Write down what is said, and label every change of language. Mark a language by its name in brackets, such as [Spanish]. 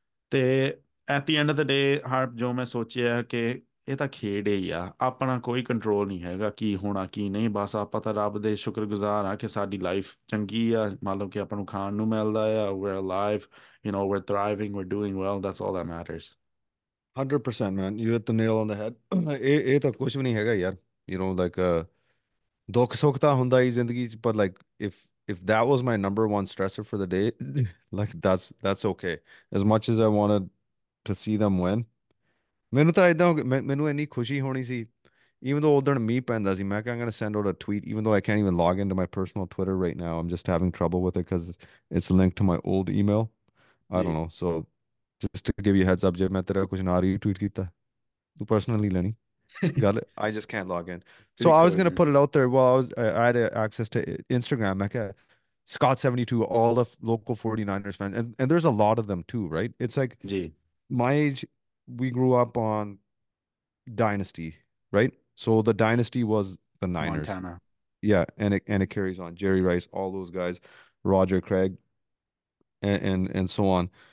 [Punjabi] ਤੇ [English] at the end of the day [Punjabi] ਹਰ ਜੋ ਮੈਂ ਸੋਚਿਆ ਕਿ ਇਹ ਤਾਂ ਖੇਡ ਹੀ ਆ, ਆਪਣਾ ਕੋਈ ਕੰਟਰੋਲ ਨਹੀਂ ਹੈਗਾ ਕੀ ਹੋਣਾ ਕੀ ਨਹੀਂ, ਬਸ ਆਪਾਂ ਤਾਂ ਰੱਬ ਦੇ ਸ਼ੁਕਰਗੁਜ਼ਾਰ ਆ ਕਿ ਸਾਡੀ ਲਾਈਫ ਚੰਗੀ ਆ, ਮੰਨ ਲਓ ਕਿ ਆਪਾਂ ਨੂੰ ਖਾਣ ਨੂੰ ਮਿਲਦਾ ਆ, [English] We are alive, you know, we are thriving, we are doing well, that's all that matters. 100% man, you hit the nail on the head. [Punjabi] ਇਹ ਤਾਂ ਕੁਛ ਵੀ ਨਹੀਂ ਹੈਗਾ ਯਾਰ, ਯੂ ਨੋ ਲਾਈਕ ਦੁੱਖ ਸੁੱਖ ਤਾਂ ਹੁੰਦਾ ਹੀ ਜ਼ਿੰਦਗੀ 'ਚ, [English] ਪਰ like if that was my number one stressor for the day, like that's okay, as much as I wanted to see them win. [Punjabi] ਮੈਨੂੰ ਤਾਂ ਇਦਾਂ ਮੈਨੂੰ ਇੰਨੀ ਖੁਸ਼ੀ ਹੋਣੀ ਸੀ, [English] even though [Punjabi] ਉਦਣ ਮੀਂਹ ਪੈਂਦਾ ਸੀ, ਮੈਂ ਕਿਹਾ [English] I'm going to send out a tweet, even though I can't even log in to my personal Twitter right now, I'm just having trouble with it because it's linked to my old email, I don't know. So just to give you heads up, [Punjabi] ਜੇ ਮੈਂ ਤੇਰਾ ਕੁਝ ਨਾ retweet ਕੀਤਾ ਤੂੰ personally ਲੈਣੀ ਗੱਲ, [English] I just can't log in. So I was [Punjabi] ਬਿਲਕੁਲ [English] going to put ਜੀ, it out there, why I had access to Instagram, [Punjabi] ਮੈਂ ਕਿਹਾ [English] Scott 72, all the local 49ers fans, and there's a lot of them too, right? It's like जी my age, we grew up on Dynasty, right? So the Dynasty was the Niners. Montana. Yeah, and it carries on. Jerry Rice, all those guys, Roger Craig, and so on.